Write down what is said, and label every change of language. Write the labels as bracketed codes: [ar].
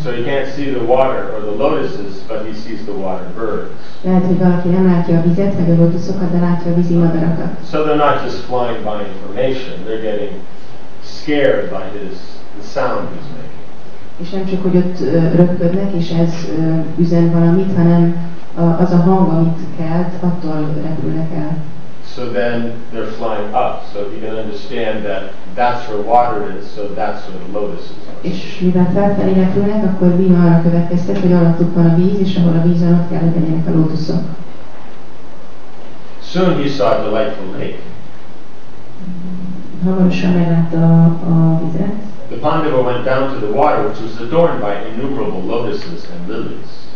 [en] So he can't see the water or the lotuses, but he sees the water birds. [hu] Lehet, hogy valaki nem látja a vizet, meg a lotuszokat, de látja a vízi madarakat. [en] So they're not just flying by information, they're getting scared by the sound he's making. [hu] És nem csak, hogy ott röpködnek, és ez üzen valamit, hanem az a hang, amit kelt, attól repülnek el. [en] So then they're flying up, so you can understand that that's where water is, so that's where the lotuses are. [hu] És mivel felfelé repülnek, akkor Bhima arra következtet, hogy alattuk van a víz, és ahol a víz alatt kell, hogy legyenek a lótuszok. [en] Soon he saw a delightful lake. [hu] Hamarosan meglátta a vizet. [en] The Pandava went down to the water, which was adorned by innumerable lotuses and lilies.